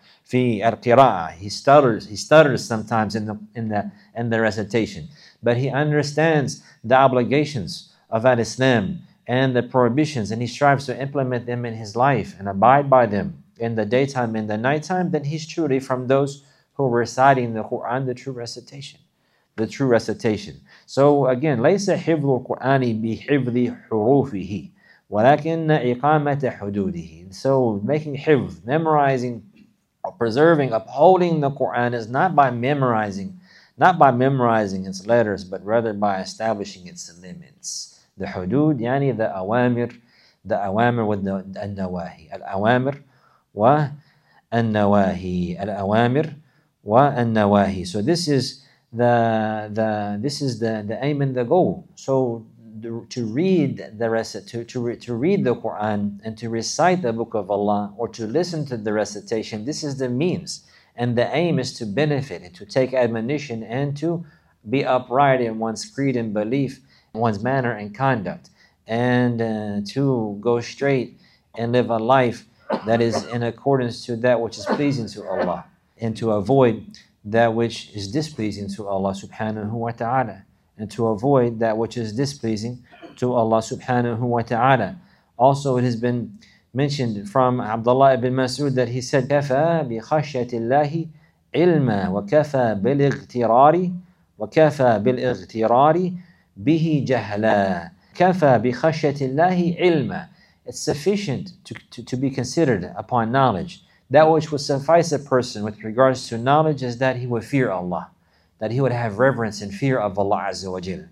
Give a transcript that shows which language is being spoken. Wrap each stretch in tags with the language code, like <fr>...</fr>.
<en>He stutters sometimes in the recitation. But he understands the obligations of al-Islam and the prohibitions, and he strives to implement them in his life and abide by them in the daytime and the nighttime, then he's truly from those who are reciting the Quran, the true recitation. The true recitation. So again,</en> <ar>لَيْسَ حِفْظُ الْقُرْآنِ بِحِفْظِ حُرُوفِهِ وَلَكِنَّ إِقَامَةَ حُدُودِهِ.</ar> <en>So making حِفْظ, memorizing, preserving, upholding the Quran is not by memorizing its letters, but rather by establishing its limits. The حُدود, يعني the أوامر with the النواهي.</en> <ar>الأوامر والنواهي. الأوامر والنواهي.</ar> <en>So this is the aim and the goal. So to read the Quran and to recite the book of Allah, or to listen to the recitation, this is the means, and the aim is to benefit and to take admonition and to be upright in one's creed and belief, one's manner and conduct, and to go straight and live a life that is in accordance to that which is pleasing to Allah, and to avoid that which is displeasing to Allah subhanahu wa ta'ala, and to avoid that which is displeasing to Allah subhanahu wa ta'ala. Also, it has been mentioned from Abdullah ibn Mas'ud that he said,</en> <ar>كَفَى بِخَشْيَةِ اللَّهِ عِلْمًا وَكَفَى بِالْإِغْتِرَارِ وَكَفَى بِالْإِغْتِرَارِ بِهِ جَهْلًا كَفَى بِخَشْيَةِ اللَّهِ عِلْمًا.</ar> <en>It's sufficient to be considered upon knowledge. That which would suffice a person with regards to knowledge is that he would fear Allah, that he would have reverence and fear of Allah Azza wa Jalla.</en>